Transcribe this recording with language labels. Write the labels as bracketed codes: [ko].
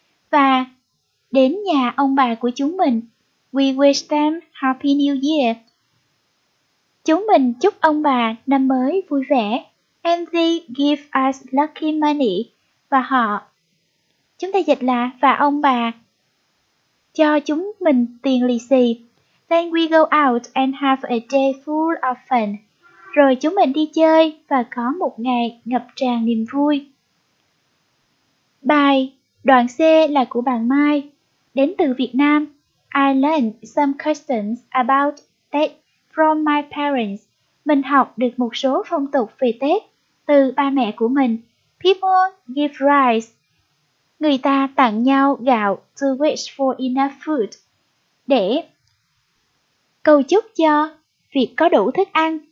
[vi] Và đến nhà ông bà của chúng mình, [en] we wish them Happy New Year. [vi] Chúng mình chúc ông bà năm mới vui vẻ. [en] And they give us lucky money. [vi] Và họ, chúng ta dịch là và ông bà cho chúng mình tiền lì xì. [en] Then we go out and have a day full of fun. [vi] Rồi chúng mình đi chơi và có một ngày ngập tràn niềm vui. Bài đoạn C là của bạn Mai, đến từ Việt Nam. [en] I learned some customs about Tết from my parents. [vi] Mình học được một số phong tục về Tết từ ba mẹ của mình. [en] People give rice. [vi] Người ta tặng nhau gạo, [en] to wish for enough food, [vi] để cầu chúc cho việc có đủ thức ăn.